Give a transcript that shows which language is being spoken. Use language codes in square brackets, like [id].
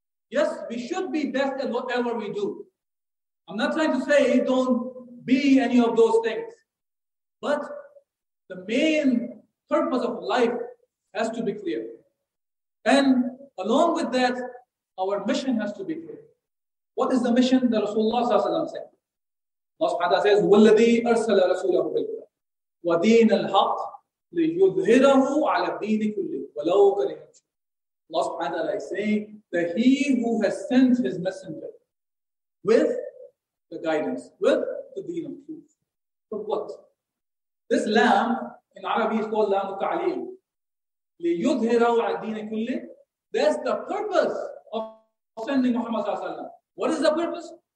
[en] Yes, we should be best at whatever we do. I'm not trying to say don't be any of those things. But the main purpose of life has to be clear. And along with that, our mission has to be clear. What is the mission that Rasulullah said? [ar] Allah subhanahu wa ta'ala says, وَالَّذِي أَرْسَلَ رَسُولَهُ بِالْهُدَى وَدِينَ الْحَقِّ لِيُظْهِرَهُ عَلَى الدِّينِ كُلِّهِ وَلَوْ كَرِهَ الْمُشْرِكُونَ. [en] Allah subhanahu wa ta'ala is saying that he who has sent his messenger with the guidance, with the deen of truth. But what? This lamb, in Arabic is called lamb al-ta'lim. [ar] لِيُظْهِرَهُ عَلَى الدِّينِ كُلِّهِ. [en] That's the purpose of sending Muhammad sallallahu alayhi wa sallam. What is the purpose?